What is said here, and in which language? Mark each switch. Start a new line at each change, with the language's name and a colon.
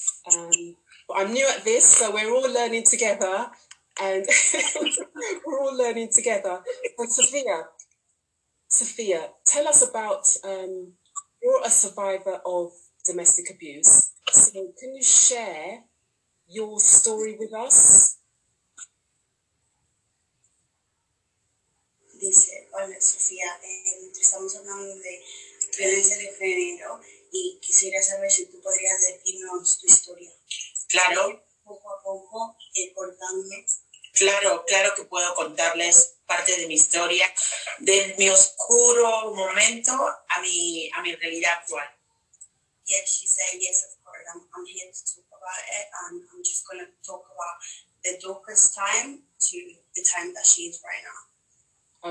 English: I'm new at this, so we're all learning together, and But Sophia, tell us about, you're a survivor of domestic abuse, so can you share your story with us?
Spanish: Dice, hola Sofía, estamos hablando de violencia de género y quisiera saber si tú podrías decirnos tu historia. Claro. Poco a poco, contándome. Claro, claro que puedo contarles parte de mi historia, de mi oscuro momento a mi realidad actual.
English: Yes, she said, yes, of course, I'm here to talk about it and I'm just going to talk about the darkest time to the time that she is right now.